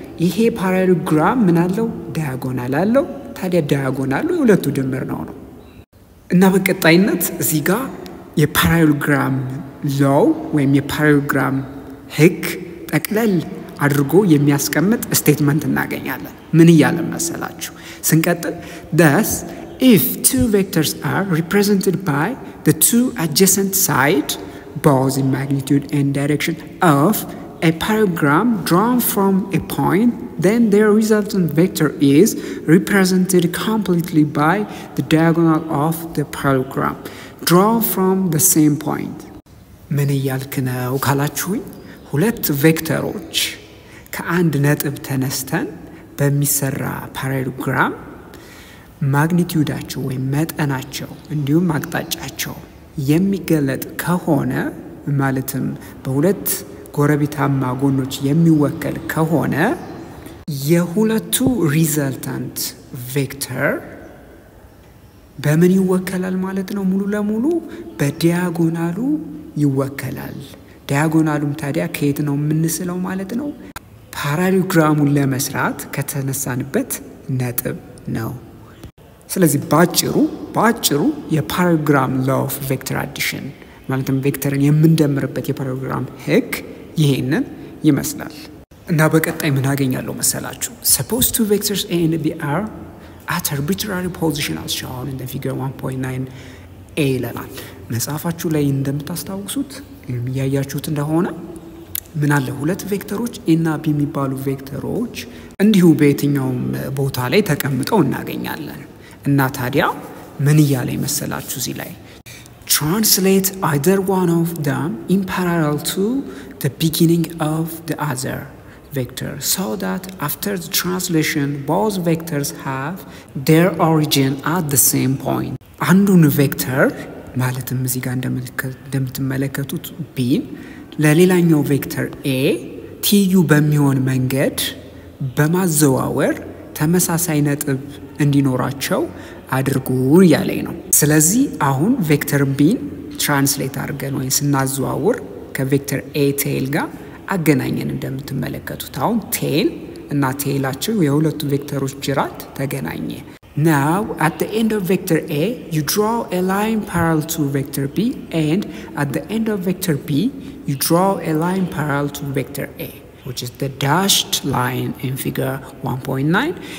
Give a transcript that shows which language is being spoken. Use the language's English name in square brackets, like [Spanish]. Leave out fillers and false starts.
[Amharic] ይሄ ፓራሎግራም ምን አለው? ዳያጎናል አለው። ታዲያ ዳያጎናሉ የሁለቱ ድምር ነው ነው። እና በቀጣይነት እዚህ ጋር የፓራሎግራም ሎው ወይም የፓራሎግራም ህግ ጠቅለል አድርጎ የሚያስቀምጥ ስቴትመንት እናገኛለን። ምን ይላል መሰላችሁ? ስንቀጥል [English] thus if two vectors are represented by the two adjacent sides both in magnitude and direction of a parallelogram drawn from a point then their resultant vector is represented completely by the diagonal of the parallelogram drawn from the same point. [Amharic] ምን ያልከነው ካላችሁኝ ሁለት ቬክተሮች ከአንድ ነጥብ ተነስተን በሚሰራ parallelogram ማግኒቲዩዳቸው ወይም መጠናቸው እንዲሁም አቅጣጫቸው የሚገለጥ ከሆነ ማለትም በሁለት ጎረቤታማ ጎኖች የሚወከል ከሆነ የሁለቱ ሪዛልታንት ቬክተር በምን ይወከላል ማለት ነው? ሙሉ ለሙሉ በዲያጎናሉ ይወከላል። ዲያጎናሉም ታዲያ ከየት ነው የምንስለው ማለት ነው? ፓራሎግራሙን ለመስራት ከተነሳንበት ነጥብ ነው። ስለዚህ ባጭሩ የፓራሎግራም ሎው ኦፍ ቬክተር አዲሽን ማለትም ቬክተርን የምንደምርበት የፓራሎግራም ህግ ይሄንን ይመስላል። እና በቀጣይ ምን አገኛለሁ መሰላችሁ? [English] Suppose two vectors a and b are at arbitrary position as shown in the figure 1.9 a [Amharic] ለና መጻፋችሁ ላይ እንደምታስታውሱት የሚያያችሁት እንደሆነ ምን አለ? ሁለት ቬክተሮች a እና b የሚባሉ ቬክተሮች እንዲሁ በየትኛውም ቦታ ላይ ተቀምጠው እናገኛለን። እና ታዲያ ምን ይያለ ይመስላችሁ እዚህ ላይ? [English] Translate either one of them in parallel to the beginning of the other vector so that after the translation both vectors have their origin at the same point. [Amharic] አንዱን ቬክተር ማለትም እዚህ ጋር እንደምትመለከቱት b ለሌላኛው ቬክተር a tu በሚሆን መንገድ በማዘዋወር ተመሳሳይ ነጥብ እንዲኖራቸው አድርጉ ያለኝ ነው። ስለዚህ አሁን ቬክተር b ትራንስሌት አድርገን ወይስ እናዘዋውር ከቬክተር a ቴል ጋር አገናኘን እንደምትመለከቱት አሁን ቴል እና ቴላቸው የሁለቱ ቬክተሮች ጅራት ተገናኘ። [English] Now, at the end of vector A, you draw a line parallel to vector B, and at the end of vector B, you draw a line parallel to vector A, which is the dashed line in figure 1.9.